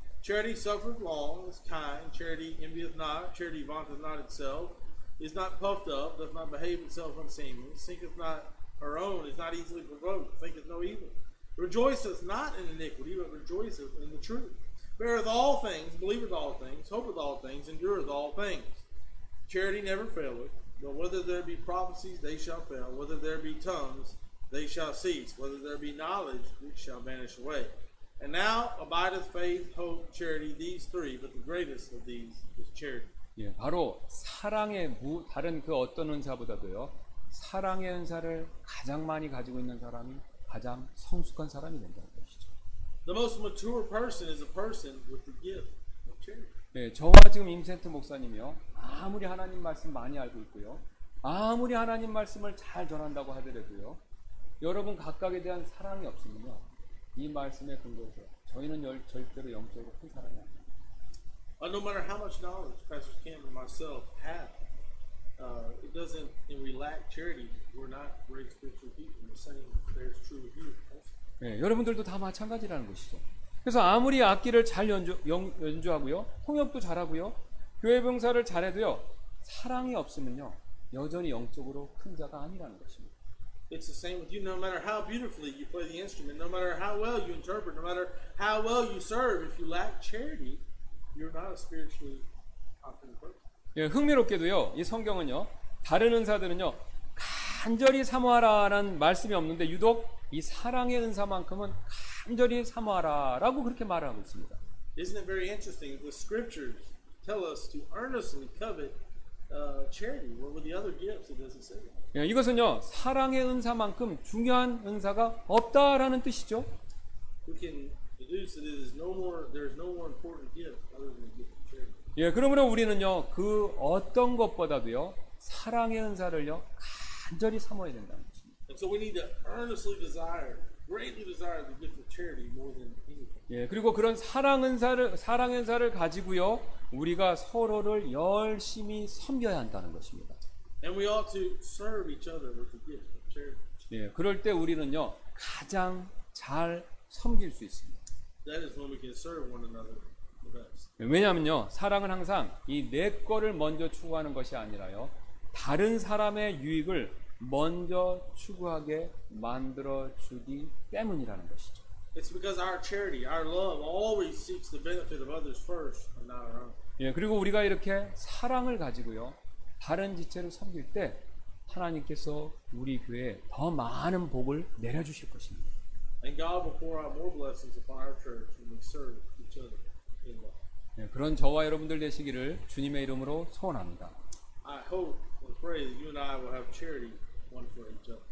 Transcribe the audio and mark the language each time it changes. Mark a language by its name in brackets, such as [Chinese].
[English] Charity suffereth long, is kind, charity envieth not, charity vaunteth not itself, is not puffed up, doth not behave itself unseemly, thinketh not her own, is not easily provoked, thinketh no evil, rejoiceth not in iniquity, but rejoiceth in the truth, beareth all things, believeth all things, hopeth all things, endureth all things. Charity never faileth. But whether there be prophecies, they shall fail. Whether there be tongues, they shall cease. Whether there be knowledge, it shall vanish away. And now abideth faith, hope, charity, these three, but the greatest of these is charity. [Korean] 예, 바로 사랑의 다른 그 어떤 은사보다도요, 사랑의 은사를 가장 많이 가지고 있는 사람이 가장 성숙한 사람이 된다는 것이죠. [English] The most mature person is a person with the gift of charity. [Korean] 예, 저와 지금 임센트 목사님이요, 아무리 하나님 말씀 많이 알고 있고요, 아무리 하나님 말씀을 잘 전한다고 하더라도요, 여러분 각각에 대한 사랑이 없으면요, 이 말씀에 근거해서 저희는 절대로 영적으로 큰 사람이 아닙니다. [English] No matter how much knowledge Pastor Kim and myself have, it doesn't, if we lack charity, we're not great spiritual people. The same there's true with you. [Korean] 예, 여러분들도 다 마찬가지라는 것이죠. 그래서 아무리 악기를 잘 연주하고요, 통역도 잘하고요, 교회 봉사를 잘해도요, 사랑이 없으면요, 여전히 영적으로 큰 자가 아니라는 것입니다. [English] It's the same with you. No matter how beautifully you play the instrument, no matter how well you interpret, no matter how well you serve, if you lack charity, you're not a spiritually competent person. [Korean] 예, 흥미롭게도요, 이 성경은요, 다른 은사들은요, 간절히 사모하라라는 말씀이 없는데 유독 이 사랑의 은사만큼은 간절히 사모하라라고 그렇게 말을 하고 있습니다. [English] Isn't it very interesting? The scriptures tell us to earnestly covet charity. What were the other gifts? It doesn't say. [Korean] 예, 이것은요 사랑의 은사만큼 중요한 은사가 없다라는 뜻이죠. [English] We can deduce that there is no more important gift other than the gift of charity. [Korean] 예, 그러므로 우리는요 그 어떤 것보다도요 사랑의 은사를요 간절히 사모해야 된다는 것입니다. [English] And so we need to earnestly desire. Greatly desire the gift of charity more than anything. [Korean] 예, 그리고 그런 사랑 은사를 가지고요, 우리가 서로를 열심히 섬겨야 한다는 것입니다. [English] And we ought to serve each other with the gift of charity. [Korean] 예, 그럴 때 우리는요, 가장 잘 섬길 수 있습니다. [English] That is when we can serve one another the best. [Korean] 예, 왜냐하면요, 사랑은 항상 이 내 거를 먼저 추구하는 것이 아니라요, 다른 사람의 유익을 먼저 추구하게 만들어 주기 때문이라는 것이죠. [English] It's because our charity, our love always seeks the benefit of others first and not our own. [Korean] 예, 그리고 우리가 이렇게 사랑을 가지고요. 다른 지체를 섬길 때 하나님께서 우리 교회에 더 많은 복을 내려 주실 것입니다. [English] And God will pour out more blessings upon our church when we serve each other in love. [Korean] 예, 그런 저와 여러분들 되시기를 주님의 이름으로 소원합니다. [English] I hope and pray that you and I will have charity one for each other.